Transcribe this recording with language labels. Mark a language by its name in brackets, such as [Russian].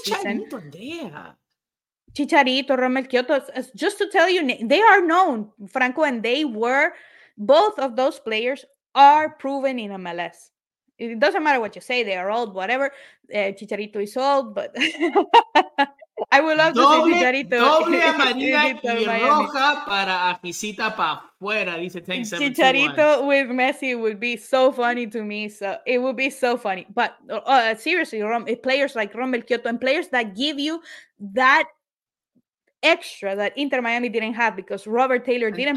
[English] season. Andrea. Chicharito, Romel Kyoto, just to tell you, they are known, Franco, and they were, both of those players are proven in MLS. It doesn't matter what you say, they are old, whatever. Chicharito is old, but... I would love [Spanish] doble, [English] to see Chicharito. [Spanish] Doble amarilla y roja para Ajicita pa fuera, dice Tank 71. [English] Chicharito with Messi would be so funny to me. So it would be so funny. But seriously, players like Romel Kyoto and players that give you that extra that Inter Miami didn't have because Robert Taylor didn't